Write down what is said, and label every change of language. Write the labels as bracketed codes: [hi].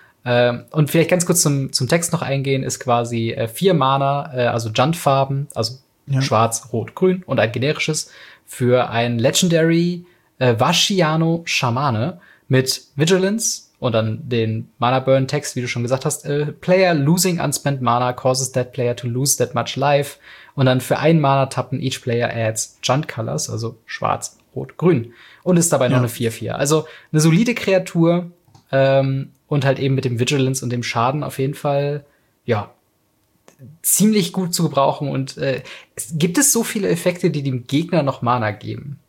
[de] Und vielleicht ganz kurz zum Text noch eingehen, ist quasi 4 Mana, also Junt-Farben, also schwarz, rot, grün und ein generisches für ein Legendary Vashiano Schamane mit Vigilance und dann den Mana-Burn-Text, wie du schon gesagt hast. [en] Player losing unspent Mana causes that player to lose that much life. [de] Und dann für ein Mana tappen, [en] each player adds Junt Colors, [de] also schwarz, rot, grün. Und ist dabei noch eine 4-4. Also eine solide Kreatur und halt eben mit dem Vigilance und dem Schaden auf jeden Fall, ja, ziemlich gut zu gebrauchen. Und gibt es so viele Effekte, die dem Gegner noch Mana geben?